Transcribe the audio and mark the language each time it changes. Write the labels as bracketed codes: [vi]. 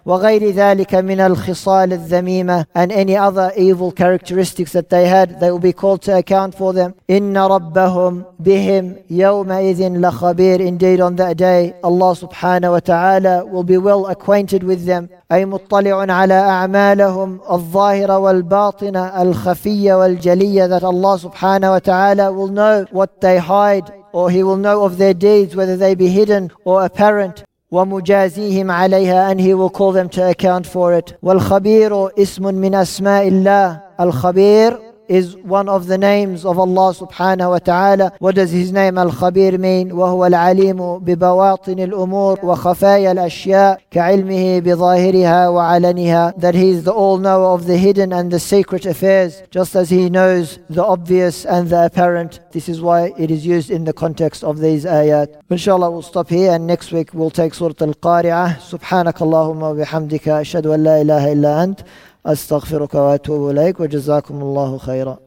[ar] وَغَيْرِ ذَلِكَ مِنَ الْخِصَالِ الذَّمِيمَةِ. [en] And any other evil characteristics that they had, they will be called to account for them. [ar] Inna rabbahum bihim yawma idhin lakhabir. [en] Indeed, on that day, Allah subhanahu wa ta'ala will be well acquainted with them. [ar] أي مطلع على أعمالهم الظاهرة والباطنة الخفية والجلية. [en] That Allah subhanahu wa ta'ala will know what they hide, or He will know of their deeds, whether they be hidden or apparent. [ar] ومجازيهم عليها. [en] And He will call them to account for it. [ar] والخبير اسم من أسماء الله. [en] الخبير is one of the names of Allah subhanahu wa ta'ala. What does his name al-khabir mean? [ar] وَهُوَ الْعَلِيمُ بِبَوَاطِنِ الْأُمُورِ وَخَفَايَ الْأَشْيَاءِ كَعِلْمِهِ بِظَاهِرِهَا وَعَلَنِهَا. [en] That he is the all-knower of the hidden and the secret affairs, just as he knows the obvious and the apparent. This is why it is used in the context of these ayat. Inshallah, we'll stop here and next week we'll take Surat Al-Qari'ah. [ar] سُبْحَانَكَ اللَّهُمَّ وَبِحَمْدِكَ أَشْهَدُ أَنْ لَا إِلَهَ إِلَّا أَنْتَ أستغفرك وأتوب إليك وجزاكم الله خيرا.